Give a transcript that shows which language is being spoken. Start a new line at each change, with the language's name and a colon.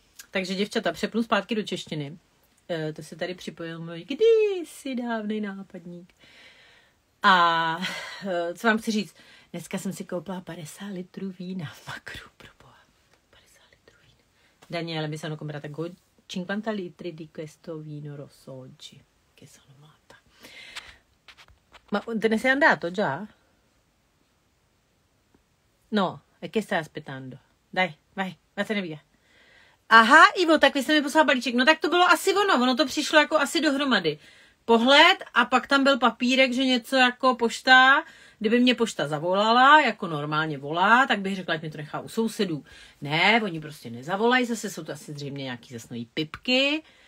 Czech: Takže děvčata, přepnu zpátky do češtiny. To se tady připojil můj kdysi dávnej nápadník. A co vám chci říct? Dneska jsem si koupila 50 litrů vína v makru, proboha. 50 litrů vína.
Italian: Daniele, mi sono comprata 50 litri di questo vino rosso oggi. Che sono matta. Ma te ne sei andato già? No, e che stai aspettando? Dai, vai, vattene via.
Czech: Aha, Ivo, tak vy jste mi poslala balíček. No tak to bylo asi ono, ono to přišlo jako asi dohromady. Pohled a pak tam byl papírek, že něco jako pošta, kdyby mě pošta zavolala, jako normálně volá, tak bych řekla, že mě to nechá u sousedů. Ne, oni prostě nezavolají, zase jsou to asi zřejmě nějaký zase nový pipky.